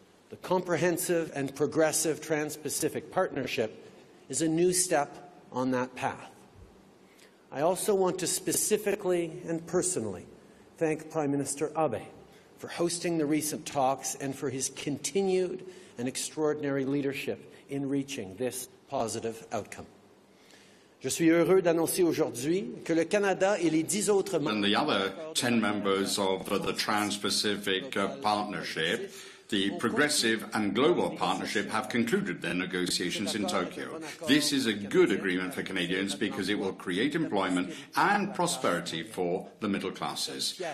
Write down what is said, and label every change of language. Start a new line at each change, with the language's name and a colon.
English: The comprehensive and progressive Trans-Pacific Partnership is a new step on that path. I also want to specifically and personally thank Prime Minister Abe for hosting the recent talks and for his continued and extraordinary leadership in reaching this positive outcome.
French: Je suis heureux d'annoncer aujourd'hui que le Canada et les 10 autres
English: and the other 10 members of the Trans-Pacific Partnership, the Progressive and Global Partnership, have concluded their negotiations in Tokyo. This is a good agreement for Canadians because it will create employment and prosperity for the middle classes.